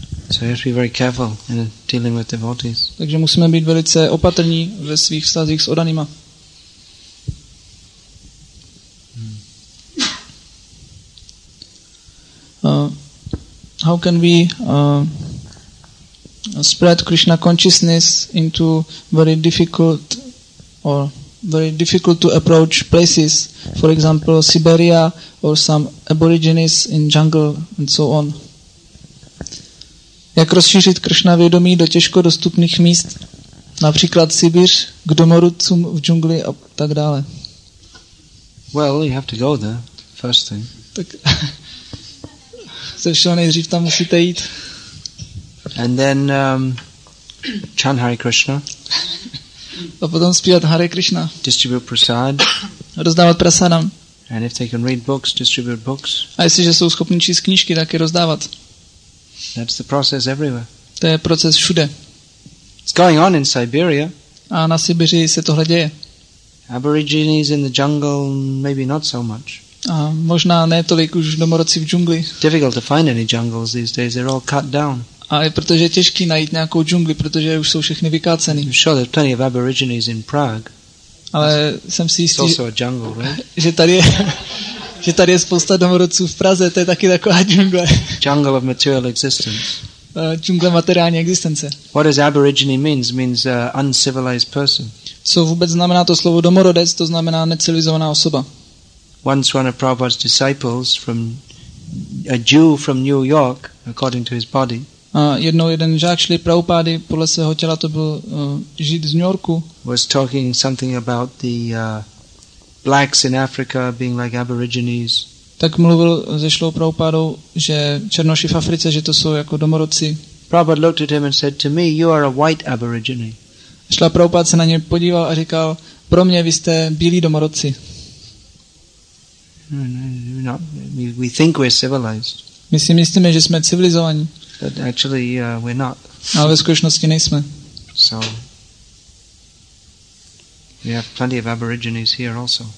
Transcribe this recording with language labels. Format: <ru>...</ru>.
<en>So you have to be very careful in dealing with devotees.</en> <cs>Takže musíme být velice opatrní ve svých vztazích s oddanýma.</cs> <en>How can we spread Krishna consciousness into very difficult or very difficult to approach places, for example Siberia or some aborigines in jungle and so on?</en> <cs>Jak rozšířit Krishna vědomí do těžko dostupných míst, například Sibir, k domorodcům v džungli a tak dále?</cs> <en>Well, you have to go there first thing.</en> <cs>Tak se všeho nejdřív tam musíte jít.</cs> <en>And then chant Hare Krishna.</en> <cs>A potom zpívat Hare Krishna.</cs> <en>Distribute prasad.</en> <cs>Rozdávat prasadam.</cs> <en>And if they can read books, distribute books.</en> <cs>A jestliže jsou schopni číst knížky, tak je rozdávat.</cs> <en>That's the process everywhere.</en> <cs>To je proces všude.</cs> <en>It's going on in Siberia.</en> <cs>A na Sibiři se tohle děje.</cs> <en>Aborigines in the jungle, maybe not so much.</en> <cs>A možná ne tolik už domorodci v džungli.</cs> <en>Difficult to find any jungles these days. They're all cut down.</en> <cs>A je protože je těžký najít nějakou džungli, protože už jsou všechny vykácený.</cs> <en>I'm sure there's plenty of aborigines in Prague.</en> <cs>Ale jsem si jistý,</cs> <en>also a jungle, right?</en> <cs>že tady je spousta domorodců v Praze, to je taky taková džungle.</cs> <en>Jungle of material existence.</en> <cs>Džungle materiální existence.</cs> <en>What does aborigine means? Means uncivilized person.</en> <cs>Co vůbec znamená to slovo domorodec? To znamená necivilizovaná osoba.</cs> <en>Once one of Prabhupada's disciples from a Jew from New York, according to his body.</en> <cs>Jednou jeden žák šli Prabhupády, podle svého těla to byl žid z New Yorku.</cs> <en>Was talking something about the blacks in Africa being like aborigines.</en> <cs>Tak mluvil ze šlou Prabhupádou, že černoši v Africe, že to jsou jako domorodci.</cs> <en>Prabhupada looked at him and said, "To me, you are a white aborigine."</en> <cs>Šla Prabhupáda se na ně podíval a říkal, pro mě vy jste bílí domorodci.</cs> <en>No, we think we're civilized.</en> <cs>My si myslíme, že jsme civilizovaní.</cs> <en>But actually, we're not.</en> <cs>Ale ve skutečnosti nejsme.</cs> <en>So we have plenty of aborigines here also.</en>